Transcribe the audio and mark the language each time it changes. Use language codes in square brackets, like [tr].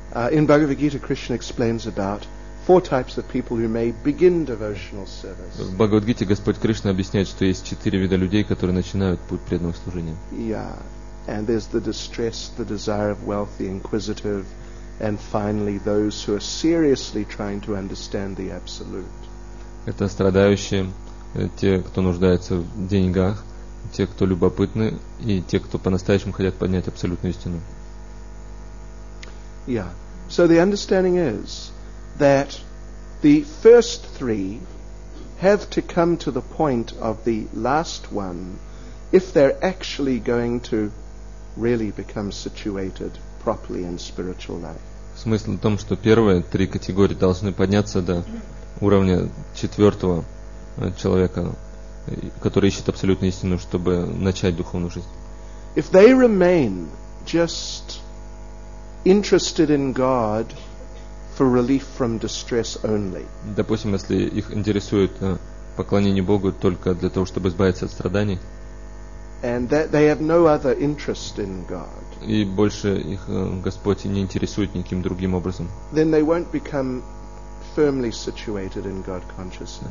[en] In Bhagavad Gita, Krishna explains about four types of people who may begin devotional service. [ru] В Бхагавад Гите Господь Кришна объясняет, что есть четыре вида людей, которые начинают путь преданного служения. [en] Yeah, and there's the distressed, the desire of wealth, the inquisitive. And finally, those who are seriously trying to understand the absolute. [ru] Это страдающие, те, кто нуждается в деньгах, те, кто любопытны, и те, кто по-настоящему хотят понять абсолютную истину. [en] Yeah. So the understanding is that the first three have to come to the point of the last one if they're actually going to really become situated properly in spiritual life. [ru] Смысл в том, что первые три категории должны подняться до уровня четвертого человека, который ищет абсолютную истину, чтобы начать духовную жизнь. [en] If they remain just interested in God for relief from distress only. [ru] Допустим, если их интересует поклонение Богу только для того, чтобы избавиться от страданий. [en] And that they have no other interest in God. [ru] И больше их Господь не интересует никаким другим образом. [en] Then they won't become firmly situated in God consciousness.